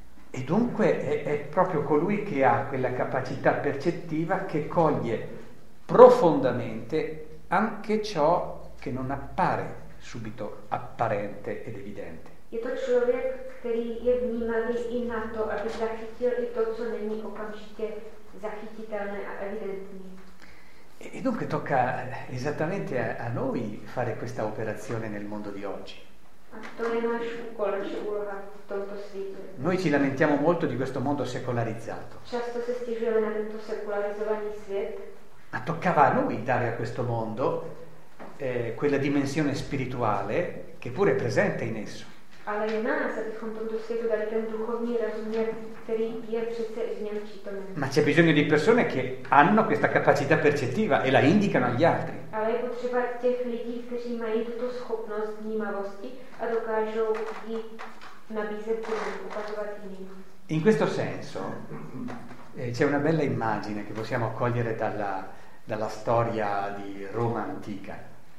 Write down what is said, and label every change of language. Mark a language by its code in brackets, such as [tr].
[it] E dunque è proprio colui che ha quella capacità percettiva che coglie profondamente anche ciò che non appare subito apparente ed evidente. [cs] Je to člověk, který je vnímavý i na to, aby zachytil i to, co není okamžitě zachytitelné a evidentní. [it] E dunque tocca esattamente a noi fare questa operazione nel mondo di oggi. [cs] A to je náš úkol, naše úloha v tomto světě. [it] Noi ci lamentiamo molto di questo mondo secolarizzato. [cs] Často se stěžujeme na tento sekularizovaný svět. [it] Ma toccava a noi dare a questo mondo quella dimensione spirituale che pure è presente in esso. [cs] Ale je na nás, abychom tomto světu dali ten duchovní rozměr, který je přece v něm přítomný. [it] Ma c'è bisogno di persone che hanno questa capacità percettiva e la indicano agli altri. [cs] Ale je potřeba těch lidí, kteří mají tuto schopnost vnímavosti a dokážou ji nabízet jiným, ukazovat jiným. [it] In questo senso c'è una bella immagine che possiamo cogliere dalla storia di Roma antica.